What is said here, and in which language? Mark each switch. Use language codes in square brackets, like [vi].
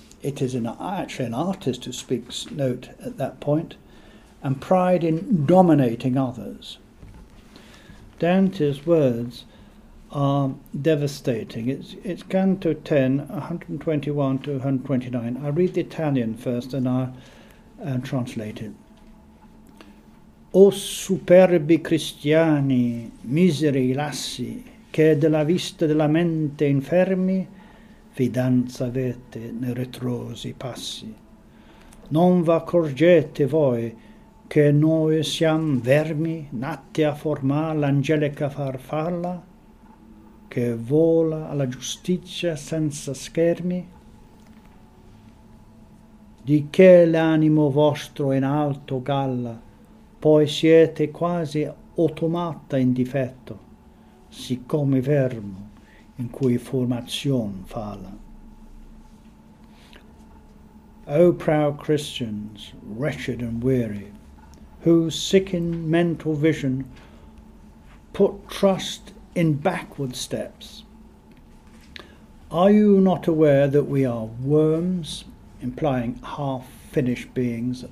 [en] It is actually an artist who speaks note at that point, and pride in dominating others. Dante's words are devastating. It's Canto 10, 121 to 129. I'll read the Italian first and I'll translate it. [it] O superbi cristiani, miseri lassi, che della vista della mente infermi, fidanza avete nei retrosi passi. Non v'accorgete voi che noi siam vermi nati a formar l'angelica farfalla che vola alla giustizia senza schermi? Di che l'animo vostro in alto galla poi siete quasi automata in difetto siccome vermo in cui formazion falla. [en] O proud Christians, wretched and weary, whose sickened mental vision put trust in backward steps, are you not aware that we are worms, implying half-finished beings?